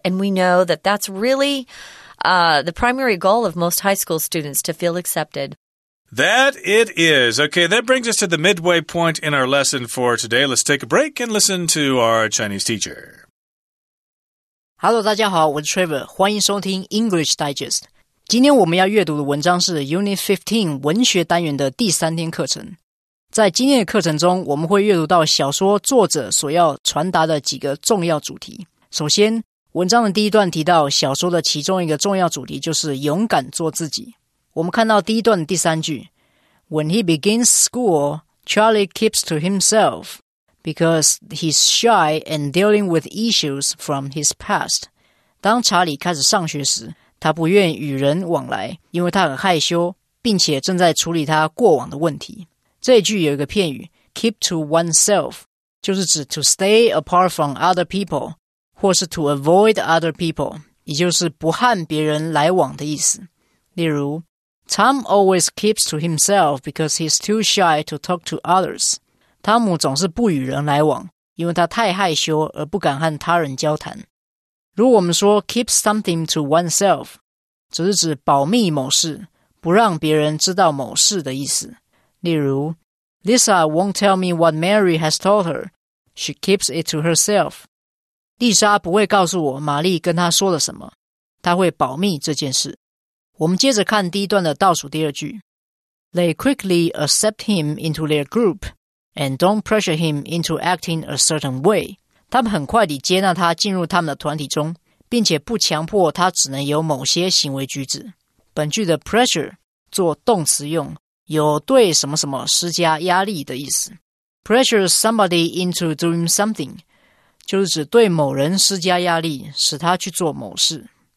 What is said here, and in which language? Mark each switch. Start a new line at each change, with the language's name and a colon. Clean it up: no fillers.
English: And we know that that's really the primary goal of most high school students, to feel accepted. That it is. Okay, that brings us to the midway point in our lesson for today. Let's take a break and listen to our Chinese teacher.
Chinese: Hello, 大家好，我是 Trevor， 欢迎收听 English Digest。今天我们要阅读的文章是 Unit 15文学单元的第三天课程。在今天的课程中，我们会阅读到小说作者所要传达的几个重要主题。首先，文章的第一段提到小说的其中一个重要主题就是勇敢做自己。我们看到第一段的第三句
English: When he begins school, Charlie keeps to himself because he's shy and dealing with issues from his past.
Chinese: 当查理开始上学时，他不愿与人往来，因为他很害羞，并且正在处理他过往的问题。这一句有一个片语
English: keep to oneself，
Chinese: 就是指
English: to stay apart from other people，
Chinese: 或是
English: to avoid other people，
Chinese: 也就是不和别人来往的意思。
English: 例如 Tom always keeps to himself because he's too shy to talk to others。
Chinese: 汤姆总是不与人来往，因为他太害羞而不敢和他人交谈。如果我们说
English: keep something to oneself，
Chinese: 只是指保密某事，不让别人知道某事的意思。
English: 例如 Lisa won't tell me what Mary has told her. She keeps it to herself.
Chinese: 丽莎不会告诉我玛丽跟她说了什么，她会保密这件事。我们接着看第一段的倒数第二句。
English: They quickly accept him into their group and don't pressure him into acting a certain way.
Chinese: 他们很快地接纳他进入他们的团体中，并且不强迫他只能有某些行为举止。本句的 pressure 做动词用，有对什么什么施加压力的意思。
English: Pressure somebody into doing something
Chinese: 就是指对某人施加压力，使他去做某事。